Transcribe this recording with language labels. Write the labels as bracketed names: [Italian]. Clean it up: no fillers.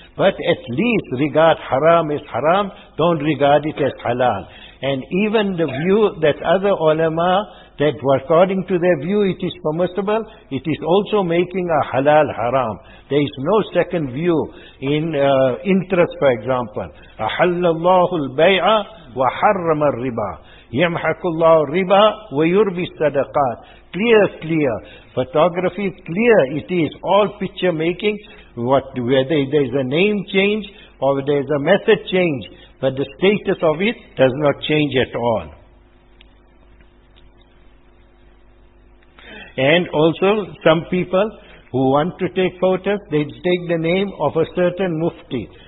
[English] But at least regard haram as haram, don't regard it as halal. And even the view that other ulama, that according to their view it is permissible, it is also making a halal haram. There is no second view in interest, for example. [Arabic] أَحَلَّ الْبَيْعَ وَحَرَّمَ الْرِبَى يَمْحَكُ اللَّهُ الْرِبَى وَيُرْبِي الصَّدَقَاتِ Clear. [English] Photography, clear it is. All picture making, whether there is a name change or there is a method change, but the status of it does not change at all. And also, some people who want to take photos, they take the name of a certain mufti.